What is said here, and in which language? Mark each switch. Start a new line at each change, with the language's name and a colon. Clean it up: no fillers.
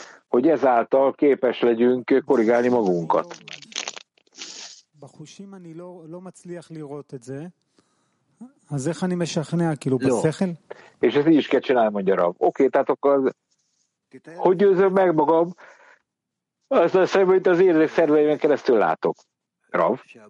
Hungarian: Hogy ezáltal képes legyünk korrigálni magunkat.
Hebrew: בחושים אני לא מצליח לראות את זה. אז איך אני משכנע, כאילו בשכל?
Hungarian: És ezt így is kell csinálni, mondja Rav. Oké, tehát akkor hogy győzöm meg magam? Azt hiszem, hogy az érzék szerveimen keresztül látok. Rav.